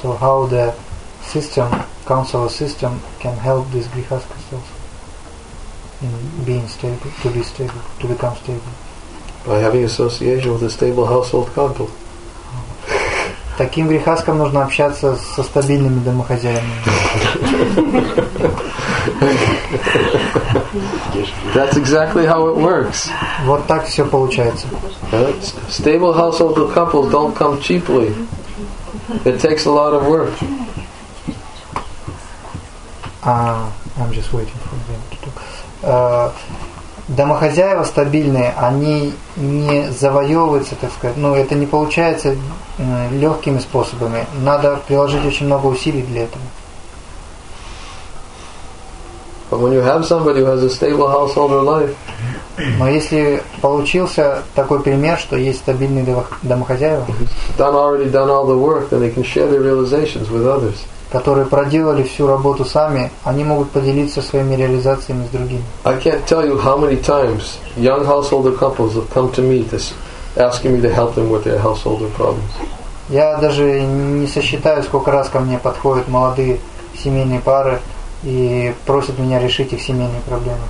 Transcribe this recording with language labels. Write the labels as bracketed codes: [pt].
[en] So how the system, counselor system, can help this grihastha self in being stable, to be stable, to become stable? By having association with a stable household couple. [ru] Таким грихасткам нужно общаться со стабильными домохозяевами. [en] That's exactly how it works. [ru] Вот так все получается. [en] Stable household couples don't come cheaply. It takes a lot of work. I'm just waiting for them to talk. [ru] Домохозяева стабильные, они не завоевываются, так сказать. Ну, это не получается легкими способами. Надо приложить очень много усилий для этого. [en] But when you have somebody who has a stable householder life. [ru] Но если получился такой пример, что есть стабильные домохозяева, которые проделали всю работу сами, они могут поделиться своими реализациями с другими. [en] I can't tell you how many times young householder couples have come to me asking me to help them with their householder problems. [ru] Я даже не сосчитаю, сколько раз ко мне подходят молодые семейные пары и просят меня решить их семейные проблемы.